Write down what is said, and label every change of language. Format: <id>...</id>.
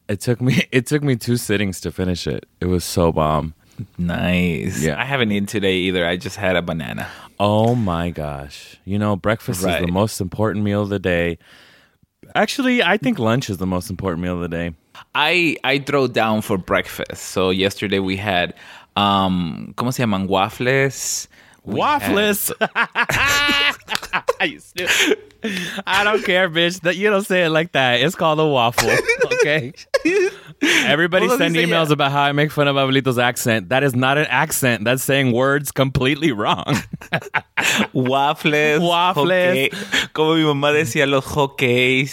<en>It took me 2 sittings to finish it. It was so bomb. Nice. Yeah. I haven't eaten today either. I just had a banana. Oh my gosh. You know, breakfast is the most important meal of the day. Actually, I think lunch is the most important meal of the day. I throw down for breakfast. So yesterday we had</en> <es>¿cómo se llaman?</es> <en>Waffles. Waffles. I used to. I don't care, bitch. That you don't say it like that. It's called a waffle. Okay. Everybody send emails about how I make fun of Abuelito's accent. That is not an accent. That's saying words completely wrong. Waffles. Waffles.</en> <es>Como mi mamá decía, los hockeys.</es>